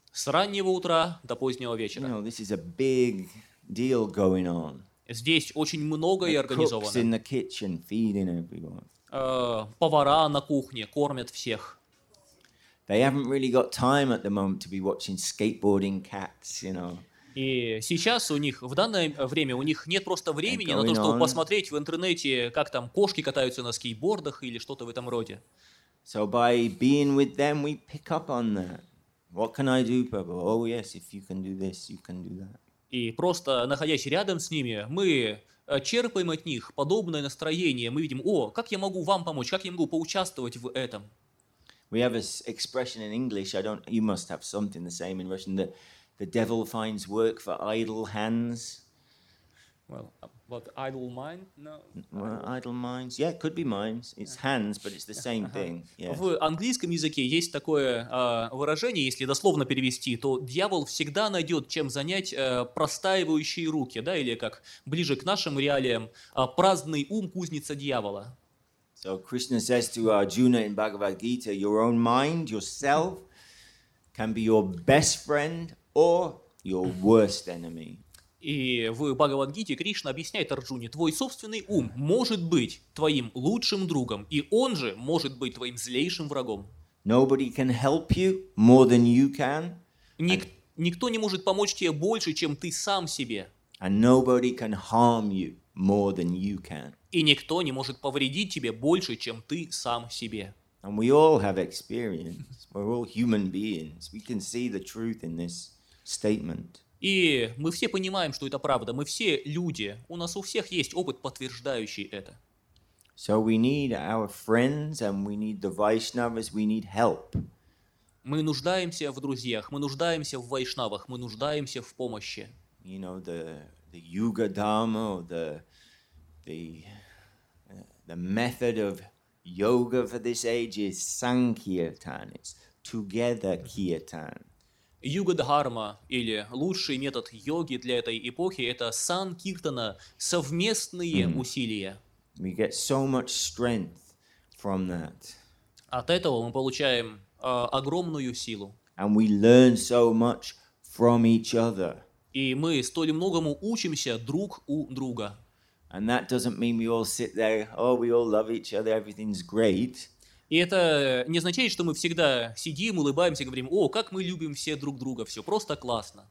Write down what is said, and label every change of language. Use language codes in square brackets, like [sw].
[ru] С раннего утра до позднего вечера. [en] You know, this is a big deal going on. [ru] Здесь очень многое организовано. [en] The cooks in the kitchen feeding everyone. [ru] Повара на кухне кормят всех. [en] They haven't really got time at the moment to be watching skateboarding cats, you know. [ru] И сейчас у них в данное время у них нет просто времени на то, чтобы посмотреть в интернете, как там кошки катаются на скейтбордах или что-то в этом роде. [en] So by being with them, we pick up on that. What can I do, Prabhu? Oh yes, if you can do this, you can do that. [ru] И просто находясь рядом с ними, мы черпаем от них подобное настроение. Мы видим, о, как я могу вам помочь, как я могу поучаствовать в этом. [en] We have an expression in English. I don't. You must have something the same in Russian. The devil finds work for idle hands. Well, but idle mind? No. Well, idle minds. Yeah, it could be minds. It's hands, but it's the same thing. Yeah. [ru] В английском языке есть такое выражение, если дословно перевести, то дьявол всегда найдет чем занять простаивающие руки, да, или как ближе к нашим реалиям, праздный ум кузница дьявола. [en] So Krishna says to Arjuna in Bhagavad Gita, your own mind, yourself, can be your best friend or your worst enemy. [ru] И в Бхагавад Гите Кришна объясняет Арджуне, твой собственный ум может быть твоим лучшим другом, и он же может быть твоим злейшим врагом. [en] Nobody can help you more than you can. [ru] Никто не может помочь тебе больше, чем ты сам себе. [en] And nobody can harm you more than you can. [ru] И никто не может повредить тебе больше, чем ты сам себе. [en] And we all have experience. We're all human beings. We can see the truth in this statement. [ru] И мы все понимаем, что это правда. Мы все люди. У нас у всех есть опыт, подтверждающий это. [en] So we need our friends and we need the Vaishnavas, we need help. [ru] Мы нуждаемся в друзьях, мы нуждаемся в вайшнавах, мы нуждаемся в помощи. [en] You know, the Yuga Dharma, or the method of yoga for this age is Sankirtan, it's together kirtan. [ru] Юга Дхарма, или лучший метод йоги для этой эпохи, это Санкиртана, совместные усилия. [en] We get so much strength from that. [ru] От этого мы получаем огромную силу. [en] And we learn so much from each other. [ru] И мы столь многому учимся друг у друга. [en] And that doesn't mean we all sit there, oh, we all love each other, everything's great. [ru] И это не означает, что мы всегда сидим, улыбаемся и говорим, о, как мы любим все друг друга, все просто классно.